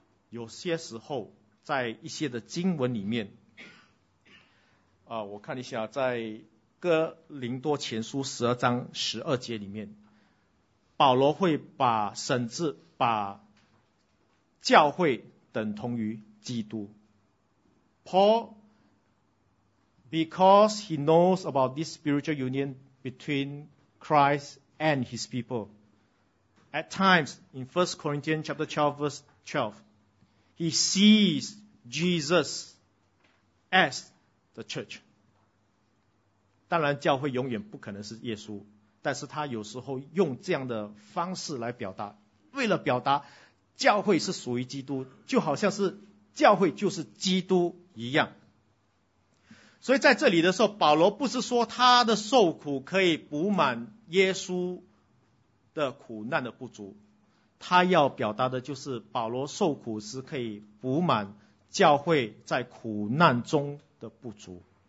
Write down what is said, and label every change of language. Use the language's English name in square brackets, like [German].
[Chinese] 有些时候在一些的经文里面啊，我看一下，在哥林多前书十二章十二节里面，保罗会把甚至把教会等同于基督。 [English] Paul, because he knows about this spiritual union between Christ and his people, at times in 1 Corinthians chapter 12 verse 12, he sees Jesus as the church. [Chinese] 当然教会永远不可能是耶稣，但是他有时候用这样的方式来表达，为了表达教会是属于基督，就好像是教会就是基督一样。所以在这里的时候，保罗不是说他的受苦可以补满耶稣的苦难的不足，他要表达的就是保罗受苦是可以补满教会在苦难中的不足。